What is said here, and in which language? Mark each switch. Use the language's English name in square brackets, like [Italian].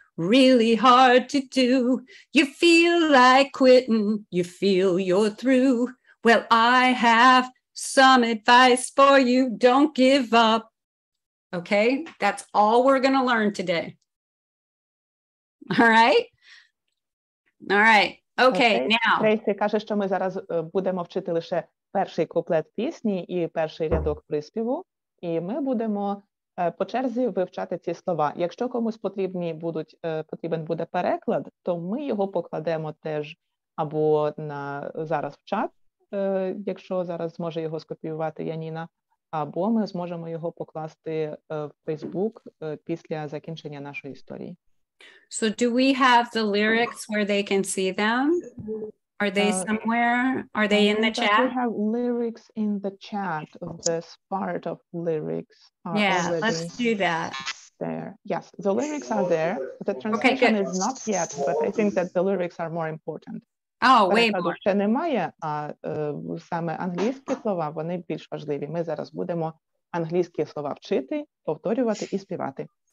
[English] really hard to do. You feel like quitting, you feel you're through. Well, I have some advice for you. Don't give up. Okay, that's all we're going to learn today. All right. Okay, now. [Ukrainian] Тресі каже, що ми зараз будемо вчити лише перший куплет пісні і перший рядок приспіву, і ми будемо по черзі вивчати ці слова. Якщо комусь потрібен буде переклад, то ми його покладемо теж або на зараз в чат, якщо зараз зможе його скопіювати Яніна, або ми зможемо його покласти в Facebook після закінчення нашої історії. [English] So do we have the lyrics where they can see them? Are they somewhere? Are they in the chat? We have lyrics in the chat. This part of lyrics are let's do that. There. Yes, the lyrics are there. The translation is not yet, but I think that the lyrics are more important. Oh, way more. [Ukrainian] Ще немає, а саме англійські слова, вони більш важливі. Ми зараз будемо англійські слова вчити, повторювати і співати.